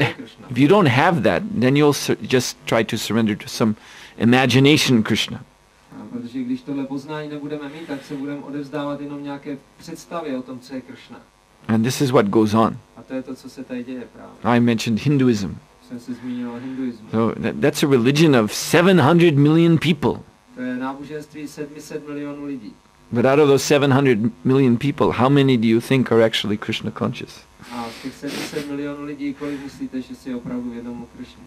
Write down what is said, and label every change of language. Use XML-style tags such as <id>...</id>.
<en>have that, then you'll just try to surrender to some imagination Krishna.</en> <cs>Protože když tohle poznání nebudeme mít, tak se budeme odevzdávat jenom nějaké představě o tom, co je Krishna.</cs> <en>And this is what goes on.</en> <cs>A to je to, co se tady děje právě.</cs> <en>I mentioned Hinduism.</en> <cs>Jsem se zmínil o hinduismu.</cs> <en>So that's a religion of 700 million people.</en> <cs>To je náboženství 700 milionů lidí.</cs> <en>But out of those 700 million people, how many do you think are actually Krishna conscious?</en> <cs>A z těch 700 milionů lidí, kolik myslíte, že si opravdu vědomí Krishna?</cs>